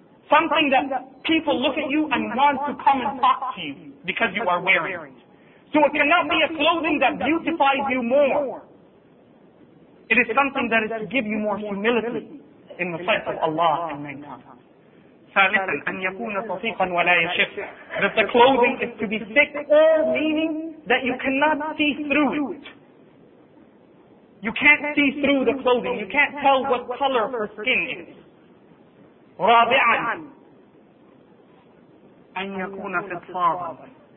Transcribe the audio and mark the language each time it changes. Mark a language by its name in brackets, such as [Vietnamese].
[English] Something that people look at you and want to come and talk to you because you are wearing it. So it cannot be a clothing that beautifies you more. It is something that is to give you more humility in the sight of Allah and mankind. [Arabic] ثالثاً أن يكون صفيقاً ولا يشف. [English] That the clothing is to be thick or meaning that you cannot see through it. You can't see through the clothing. You can't tell what color her skin is. [Arabic] رابعاً أن يكون فضفاضاً.